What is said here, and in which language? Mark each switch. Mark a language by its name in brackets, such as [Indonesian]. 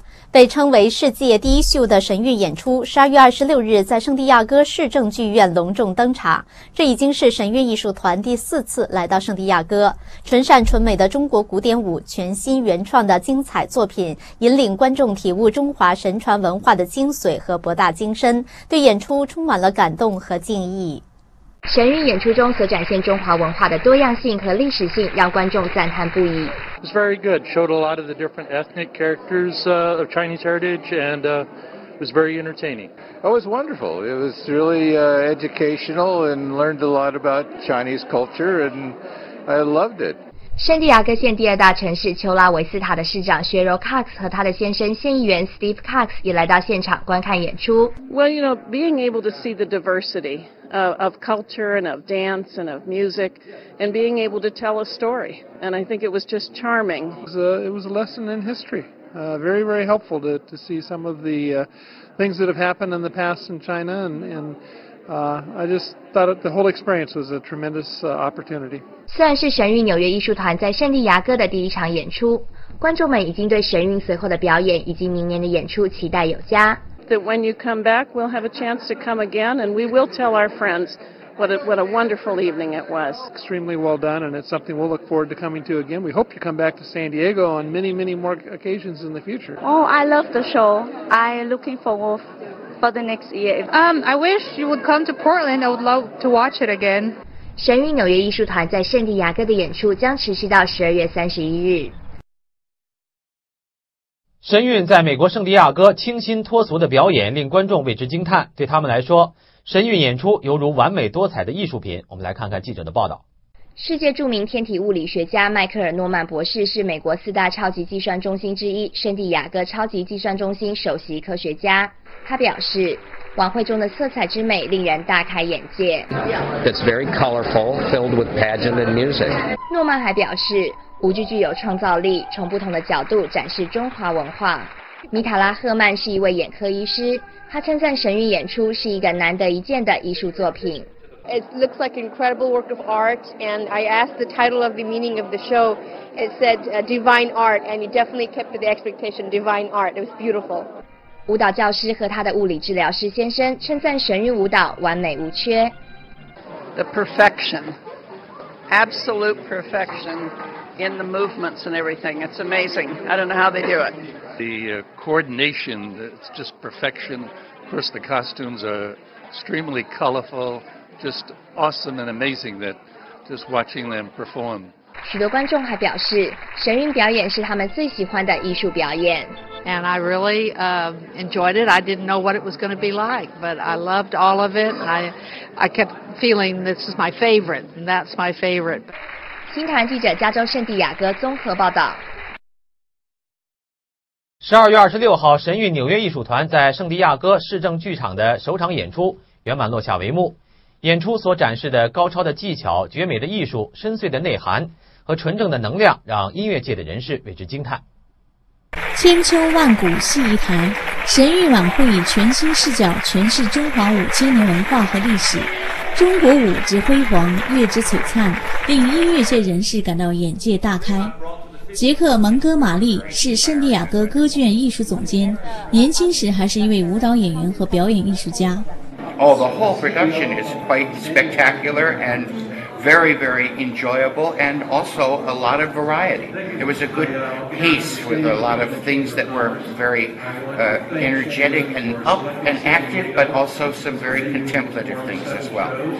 [Chinese] 被称为世界第一秀的神韵演出12月26日在圣地亚哥市政剧院隆重登场，这已经是神韵艺术团第四次来到圣地亚哥，纯善纯美的中国古典舞，全新原创的精彩作品，引领观众体悟中华神传文化的精髓和博大精深，对演出充满了感动和敬意。神韵演出中所展现中华文化的多样性和历史性，让观众赞叹不已。 [English] It's very good. Showed a lot of the different ethnic characters of Chinese heritage, and was very entertaining. It was wonderful. It was really educational, and learned a lot about Chinese culture, and I loved it. [Chinese] 圣地亚哥县第二大城市丘拉维斯塔的市长薛柔·卡克斯和他的先生县议员 Steve Cox 也来到现场观看演出。 [English] Well, you know, being able to see the diversity of culture and of dance and of music, and being able to tell a story, and I think it was just charming. It was a lesson in history. Very, very helpful to see some of the things that have happened in the past in China, and I just thought the whole experience was a tremendous opportunity. [Chinese] 虽然是神韵纽约艺术团在圣地亚哥的第一场演出，观众们已经对神韵随后的表演以及明年的演出期待有加。 [English] That when you come back, we'll have a chance to come again, and we will tell our friends what a wonderful evening it was. Extremely well done, and it's something we'll look forward to coming to again. We hope you come back to San Diego on many, many more occasions in the future. Oh, I love the show. I looking forward for the next year. I wish you would come to Portland. I would love to watch it again. [Chinese] 神韵纽约艺术团在圣地亚哥的演出将持续到12月31日。神韵在美国圣地亚哥清新脱俗的表演令观众为之惊叹，对他们来说，神韵演出犹如完美多彩的艺术品。我们来看看记者的报道。世界著名天体物理学家迈克尔·诺曼博士是美国四大超级计算中心之一圣地亚哥超级计算中心首席科学家，他表示晚会中的色彩之美令人大开眼界。 [English] It's very colorful, filled with pageant and music. [Chinese] 诺曼还表示，舞剧具有创造力，从不同的角度展示中华文化。米塔拉·赫曼是一位眼科医师，他称赞神韵演出是一个难得一见的艺术作品。 [English] It looks like an incredible work of art, and I asked the title of the meaning of the show. It said divine art, and it definitely kept to the expectation. Divine art. It was beautiful. [Chinese] 舞蹈教师和他的物理治疗师先生称赞神韵舞蹈完美无缺。 [English] The perfection, absolute perfection in the movements and everything. It's amazing. I don't know how they do it. The coordination, it's just perfection. Of course, the costumes are extremely colorful, just awesome and amazing that just watching them perform. [Chinese] 许多观众还表示，神韵表演是他们最喜欢的艺术表演。 [English] And I really enjoyed it. I didn't know what it was going to be like, but I loved all of it. I kept feeling this is my favorite, and that's my favorite. [Chinese] 新唐人记者加州圣地亚哥综合报道。 12月26号，神韵纽约艺术团在圣地亚哥市政剧场的首场演出圆满落下帷幕。演出所展示的高超的技巧、绝美的艺术、深邃的内涵和纯正的能量，让音乐界的人士为之惊叹。千秋万古戏一坛，神韵晚会以全新视角诠释中华五千年文化和历史，中国舞之辉煌，乐之璀璨，令音乐界人士感到眼界大开。杰克·蒙哥马利是圣地亚哥歌剧院艺术总监，年轻时还是一位舞蹈演员和表演艺术家。 [English] Oh, the whole production is quite spectacular and very, very enjoyable and also a lot of variety. It was a good piece with a lot of things that were very energetic and up and active, but also some very contemplative things as well.